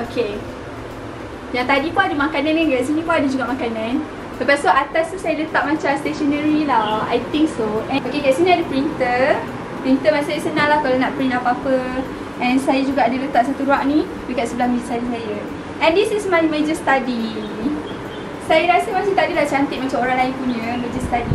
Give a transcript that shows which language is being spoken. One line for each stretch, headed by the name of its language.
Malay: Okay. Yang tadi pun ada makanan ni kat sini pun ada juga makanan. Lepas tu atas tu saya letak macam stationery lah.
English: I think so.
Malay: And okay, kat sini ada printer. Printer maksudnya senang lah kalau nak print apa-apa. And saya juga ada letak satu rak ni dekat sebelah meja saya.
English: And this is my major study.
Malay: Saya rasa macam tak adalah cantik macam orang lain punya major study.